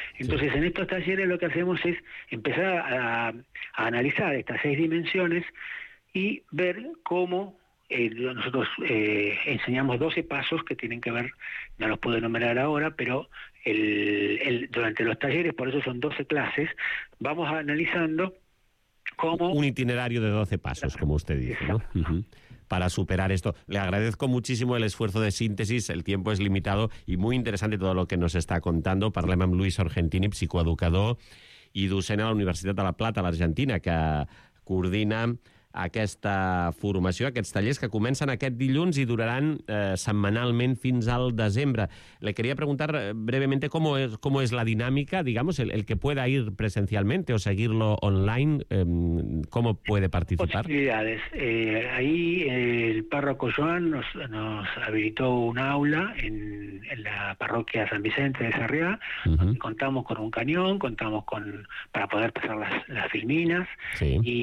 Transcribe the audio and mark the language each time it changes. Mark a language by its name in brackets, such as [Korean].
[Spanish] Entonces, sí. En estos talleres lo que hacemos es empezar a analizar estas seis dimensiones y ver cómo nosotros enseñamos 12 pasos que tienen que ver, no los puedo enumerar ahora, pero durante los talleres, por eso son 12 clases, vamos analizando cómo... Un itinerario de 12 pasos, como usted dice, ¿no? Para superar esto. Le agradezco muchísimo el esfuerzo de síntesis, el tiempo es limitado y muy interesante todo lo que nos está contando. [Catalan] Parlem amb Luis Argentini, psicoeducador i docent a la Universitat de La Plata, a l'Argentina, que coordina aquesta formació, aquests tallers que comencen aquest dilluns i duraran setmanalment fins al desembre. [Spanish] Le quería preguntar brevemente cómo es la dinámica, digamos, el que pueda ir presencialmente o seguirlo online, cómo puede participar. Posibilidades. El párroco Joan nos habilitó un aula en la parroquia San Vicente de Sarriá, donde contamos con un cañón, contamos con para poder pasar las filminas. Sí.